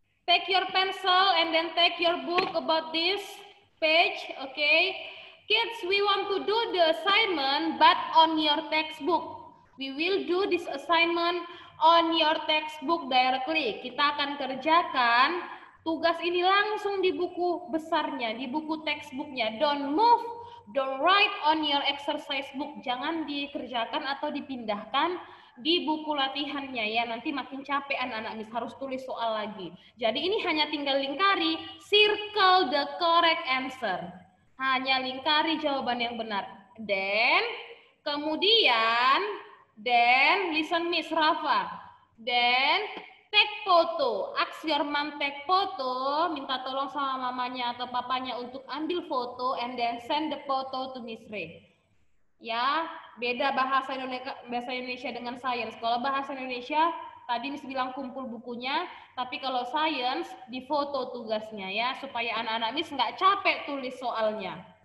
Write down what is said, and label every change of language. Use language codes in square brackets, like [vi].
[en] Take your pencil and then take your book about this page. Okay. Kids, we want to do the assignment but on your textbook. We will do this assignment on your textbook directly. [id] Kita akan kerjakan tugas ini langsung di buku besarnya, di buku textbooknya. [en] Don't move, don't write on your exercise book. [id] Jangan dikerjakan atau dipindahkan di buku latihannya ya. Nanti makin capek anak-anak, mis harus tulis soal lagi. Jadi ini hanya tinggal lingkari, [en] circle the correct answer. [id] Hanya lingkari jawaban yang benar. Then, kemudian, then, [en] listen Miss Rafa. Then, take photo. Ask your mom take photo. [id] Minta tolong sama mamanya atau papanya untuk ambil foto. [en] And then send the photo to Miss Ray. [id] Ya, beda bahasa Indonesia dengan science. Kalau bahasa Indonesia, tadi Miss bilang kumpul bukunya. Tapi kalau science, di foto tugasnya ya. Supaya anak-anak Miss nggak capek tulis soalnya.